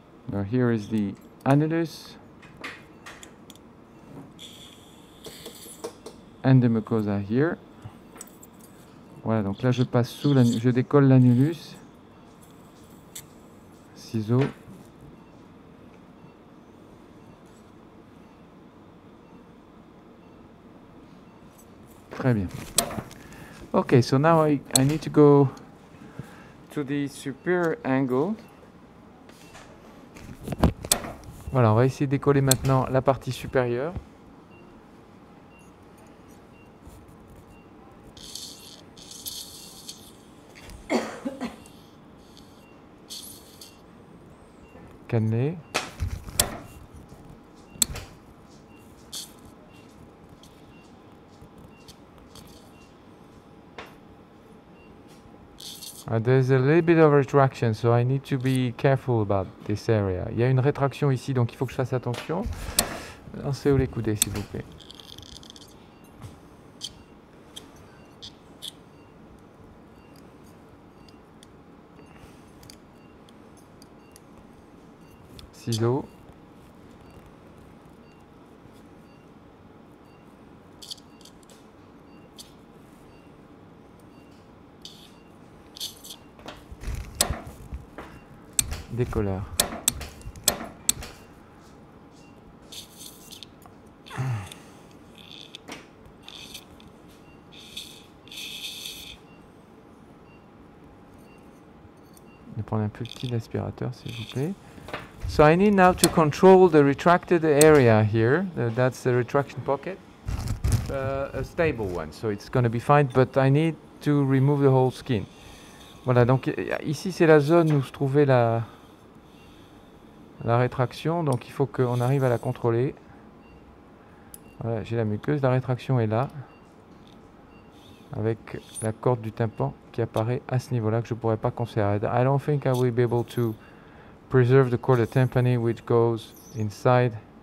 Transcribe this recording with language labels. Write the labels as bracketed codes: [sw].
[en] Now here is the annulus and the mucosa here. [fr] Voilà, donc là je passe sous, je décolle l'annulus, ciseaux. Très bien. [en] Okay, so now I need to go to the superior angle. [fr] Voilà, on va essayer de décoller maintenant la partie supérieure. Cannelé. [en] There's a little bit of retraction, so I need to be careful about this area. [fr] Il y a une rétraction ici, donc il faut que je fasse attention. Lancez-vous les coudées, s'il vous plaît. Ciseaux. Décolleur. Je vais prendre un plus petit aspirateur, s'il vous plaît. [en] So I need now to control the retracted area here. That's the retraction pocket. A stable one, so it's going to be fine, but I need to remove the whole skin. [fr] Voilà, donc ici c'est la zone où se trouvait la rétraction, donc il faut qu'on arrive à la contrôler. Voilà, j'ai la muqueuse, la rétraction est là, avec la corde du tympan qui apparaît à ce niveau-là que je ne pourrais pas conserver. [en] I don't think I will be able to preserve the cord of tympani which goes inside.